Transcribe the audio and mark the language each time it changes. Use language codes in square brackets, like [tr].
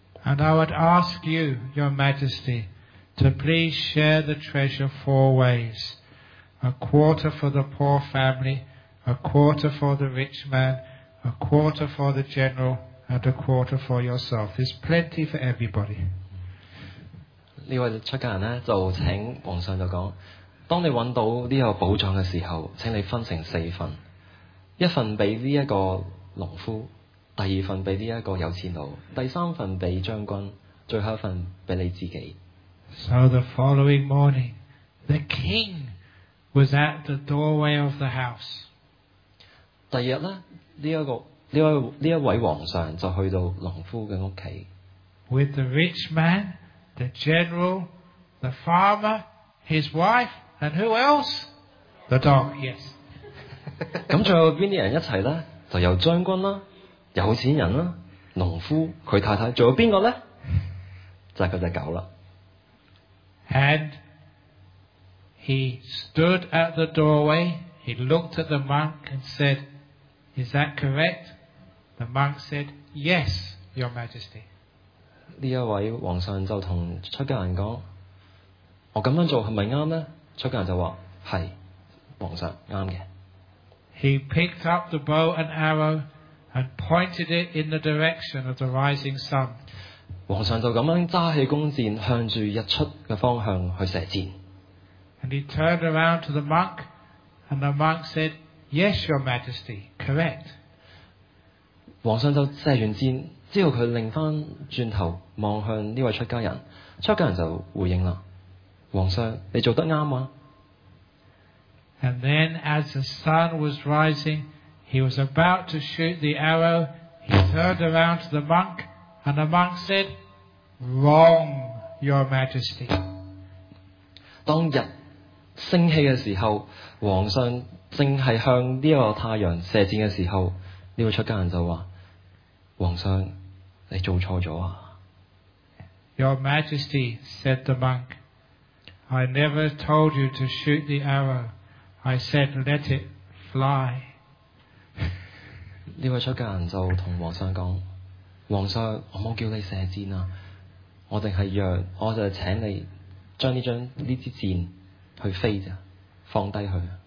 [en] And I would ask you, Your Majesty, to please share the treasure four ways. A quarter for the poor family, a quarter for the rich man, a quarter for the general, and a quarter for yourself. There's plenty for everybody. [yue] 呢位出家人咧就请皇上就讲：当你揾到呢个宝藏嘅时候，请你分成四份，一份俾呢一个农夫，第二份俾呢一个有钱佬，第三份俾将军，最后一份俾你自己。 [en] So the following morning, the king. Was at the doorway of the house. [yue] 第二日咧，呢一位皇上就去到农夫嘅屋企。 [en] With the rich man, the general, the farmer, his wife, and who else? The dog. Yes. [yue] 咁仲有边啲人一齐咧？就有将军啦，有钱人啦，农夫佢太太，仲有边个咧？就系嗰只狗啦。 [en] And. He stood at the doorway, he looked at the monk and said, "Is that correct?" The monk said, "Yes, Your Majesty." [yue] 呢一位皇上就同出家人讲： 我咁样做系咪啱咧？崔健就话系，皇上啱嘅。 [en] He picked up the bow and arrow and pointed it in the direction of the rising sun. [yue] 皇上就咁样揸起弓箭，向住日出嘅方向去射箭。 [en] And he turned around to the monk, and the monk said, "Yes, Your Majesty, correct." [yue] 皇上就射完箭。之后他拧翻转头望向呢位出家人，出家人就回应啦：皇上，你做得啱啊！ [en] And then, as the sun was rising, he was about to shoot the arrow. He turned around to the monk, and the monk said, "Wrong, Your Majesty." [yue] 当日升起嘅时候，皇上正系向呢个太阳射箭嘅时候，呢位出家人就话：皇上。你做错咗啊。 [en] Your Majesty, said the monk, I never told you to shoot the arrow. I said, let it fly. [yue] 呢位出家人就同皇上讲，皇上，我冇叫你射箭啊，我定系让，我就请你将呢支箭去飞咋，放低佢。